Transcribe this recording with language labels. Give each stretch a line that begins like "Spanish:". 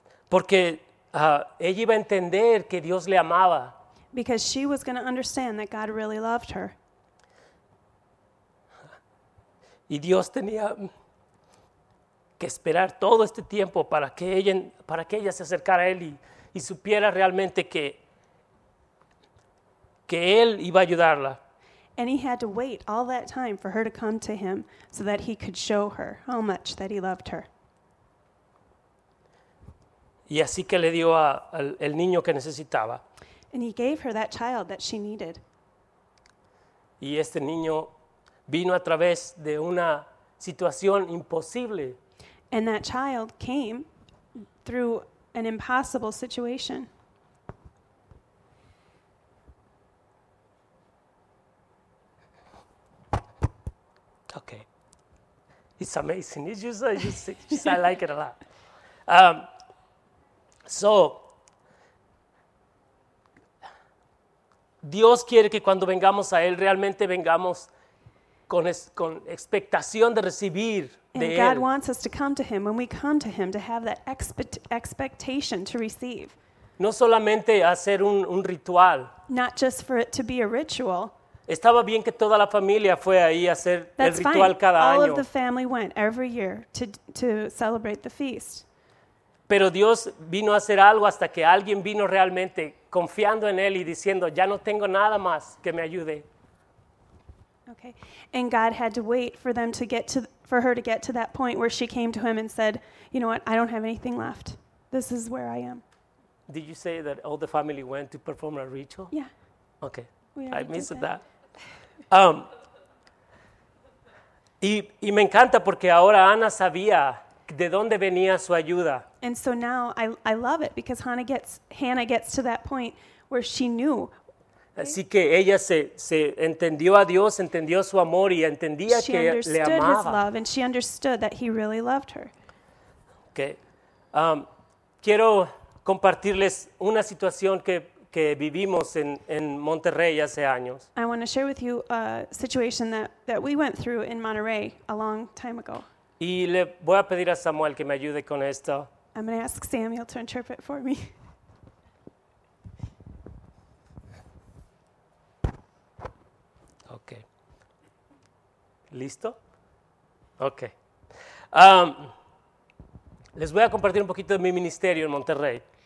Spanish: Porque ella iba a entender que Dios le amaba.
English: Because she was going to understand that God really loved her.
Spanish: Y Dios tenía... que esperar todo este tiempo para que ella se acercara a él y supiera realmente que él iba a ayudarla.
English: And he had to wait all that time for her to come to him so that he could show her how much that he loved her.
Spanish: Y así que le dio al niño que necesitaba.
English: And he gave her that child that she needed.
Spanish: Y este niño vino a través de una situación imposible.
English: And that child came through an impossible situation. Okay. It's amazing. It's just I like it a lot.
Spanish: Dios quiere que cuando vengamos a Él, realmente vengamos con expectación de recibir.
English: And God wants us to come to him when we come to him to have that expectation to receive.
Spanish: No solamente hacer un ritual.
English: Not just for it to be a ritual.
Spanish: Estaba bien que toda la familia fue ahí a hacer el ritual cada año.
English: All of the family went every year to celebrate the feast.
Spanish: Pero Dios vino a hacer algo hasta que alguien vino realmente confiando en él y diciendo, ya no tengo nada más que me ayude.
English: Okay. And God had to wait for them to get to for her to get to that point where she came to him and said, "You know what? I don't have anything left. This is where I am." Did you say that all the family went to perform a ritual? Yeah. Okay. I missed that.
Spanish: Y me encanta porque ahora Ana sabía de dónde venía su ayuda.
English: And so now I love it because Hannah gets to that point where she knew.
Spanish: Así que ella se entendió a Dios, entendió su amor y entendía
English: she
Spanish: que le amaba.
English: She understood his love and she understood that he really loved her. Okay.
Spanish: Quiero compartirles una situación que vivimos en Monterrey hace años.
English: I want to share with you a situation that we went through in Monterrey a long time ago.
Spanish: Y le voy a pedir a Samuel que me ayude con esto.
English: I'm going to ask Samuel to interpret for me. Okay. ¿Listo? Okay.
Spanish: Les voy a compartir un poquito de mi ministerio en Monterrey.